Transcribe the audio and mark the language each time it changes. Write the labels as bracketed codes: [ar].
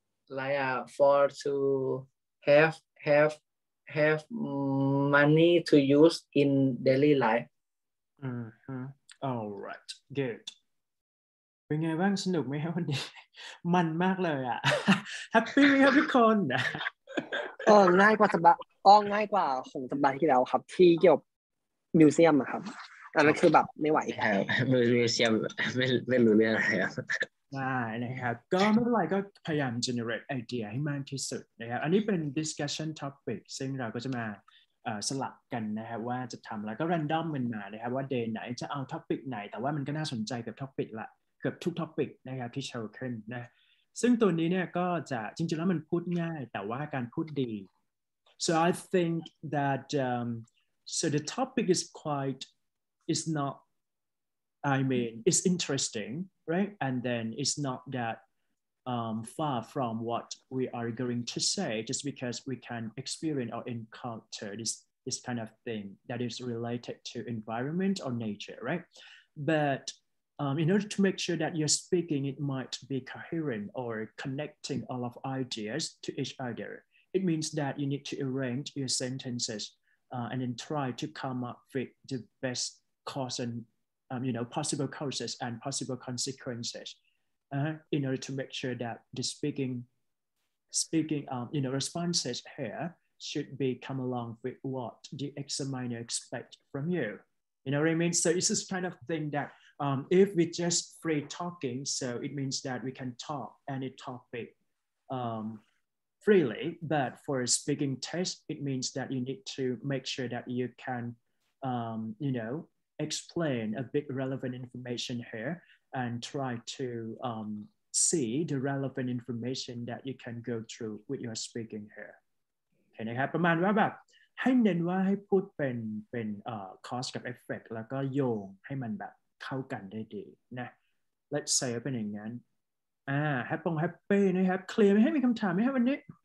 [en] like for to have money to use in daily life. Mm-hmm. All right, good. [th] เป็นไงบ้างสนุกไหมครับวันนี้มันมากเลยอ่ะ Happy ไหมครับทุกคน ง่ายกว่าสบายง่ายกว่าของสบายที่แล้วครับที่เกี่ยวกับมิวเซียมครับอันนั้นคือแบบไม่ไหว ครับมิวเซียมไม่รู้เรื่องอะไรครับ ได้นะครับก็ไม่เป็นไรก็พยายาม generate idea ให้มากที่สุดนะครับอันนี้เป็น discussion topic ซึ่งเราก็จะมา สลับกันนะครับว่าจะทำแล้วก็ random กันมานะครับว่า day ไหนจะเอา topic ไหนแต่ว่ามันก็น่าสนใจกับ topic ละเกือบทุก topic นะครับที่โชว์ขึ้นนะ ซึ่งตัวนี้เนี่ยก็จะจริงๆแล้วมันพูดง่ายแต่ว่าการพูดดี [en] so I think that so the topic is quite is not I mean it's interesting right and then it's not thatfar from what we are going to say just because we can experience or encounter this kind of thing that is related to environment or nature, right? But in order to make sure that you're speaking, it might be coherent or connecting all of ideas to each other. It means that you need to arrange your sentences and then try to come up with the best cause and, you know, possible causes and possible consequences. In order to make sure that the speaking, you know, responses here should be come along with what the examiner expect from you. You know what I mean? So it's this kind of thing that if we just free talking, so it means that we can talk any topic freely. But for a speaking test, it means that you need to make sure that you can, you know, explain a bit relevant information here. And try to see the relevant information that you can go through with your speaking here. [th] Okay, นะครับประมาณว่าแบบให้เน้นว่าให้พูดเป็น cause กับ effect แล้วก็โยงให้มันแบบเข้ากันได้ดีนะ [en] Let's say [th] เป็นอย่างนั้นHappy on happy นะครับ Clear ไหมให้มีคำถามไหมครับวันนี้